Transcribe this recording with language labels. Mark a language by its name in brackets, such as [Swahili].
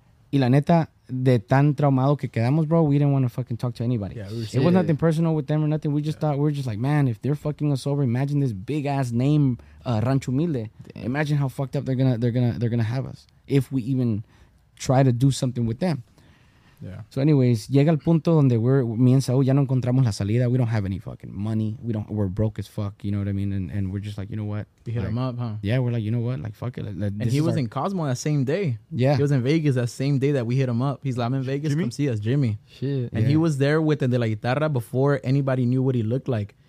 [Spanish] Y la neta, de tan traumado que quedamos, [English] bro, we didn't want to fucking talk to anybody. Yeah, it was nothing personal with them or nothing. We just thought, we were just like, man, if they're fucking us over, imagine this big ass name, Rancho Humilde. Damn. Imagine how fucked up they're gonna have us if we even try to do something with them. Yeah. So anyways, [Spanish] llega el punto donde [English] me and [Spanish] Saúl ya no encontramos la salida. [English] We don't have any fucking money. We're broke as fuck. You know what I mean? And we're just like, you know what? We hit like, him up, huh? Yeah, we're like, you know what? Like, fuck it. Like, and he was in Cosmo that same day. Yeah. He was in Vegas that same day that we hit him up. He's like, I'm in Vegas. Jimmy? Come see us, Jimmy. Shit. And he was there with the guitarra before anybody knew what he looked like.